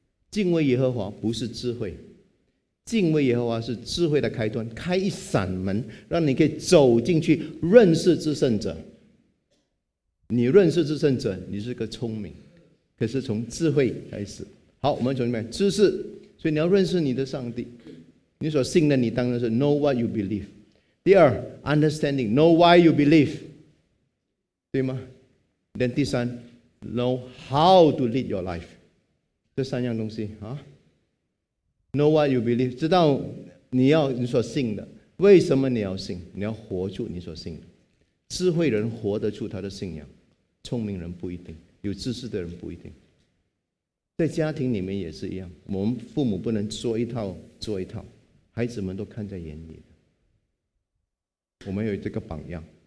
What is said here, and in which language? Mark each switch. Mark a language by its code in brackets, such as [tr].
[zh] 敬畏耶和华不是智慧，敬畏耶和华是智慧的开端，开一扇门让你可以走进去认识至圣者。你认识至圣者，你是个聪明，可是从智慧开始。好，我们从里面知识，所以你要认识你的上帝，你所信的，你当然是 [en] know what you believe。 [zh] 第二 [en] ，understanding， know why you believe， [zh] 对吗？然后第三 [en] ，know how to lead your life。 [zh] 这三样东西啊 ， [en] know what you believe， [zh] 知道你要你所信的，为什么你要信？你要活出你所信的。智慧人活得出他的信仰，聪明人不一定，有知识的人不一定。在家庭里面也是一样，我们父母不能说一套做一套，孩子们都看在眼里的。我们有这个榜样。